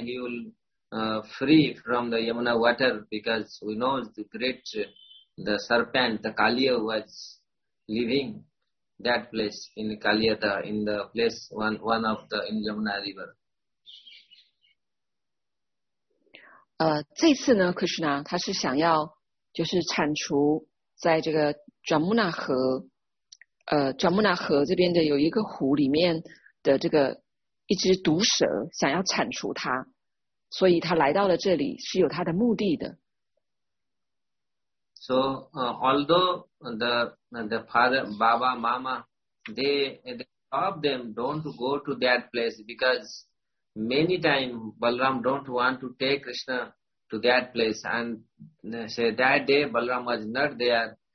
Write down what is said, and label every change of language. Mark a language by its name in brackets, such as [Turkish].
[English] He will free from the Yamuna water because we know the great the serpent the Kaliya was living. That place in Kaliyata, in the place one of the in Yamuna River. [Chinese] 这次呢 ，Krishna 他是想要就是铲除在这个扎穆纳河，扎穆纳河这边的有一个湖里面的这个一只毒蛇，想要铲除它，所以他来到了这里是有他的目的的。 [English] So, although the father, Baba, Mama, they stop them, don't go to that place because many times Balaram don't want to take Krishna to that place. And say that day Balaram was not there.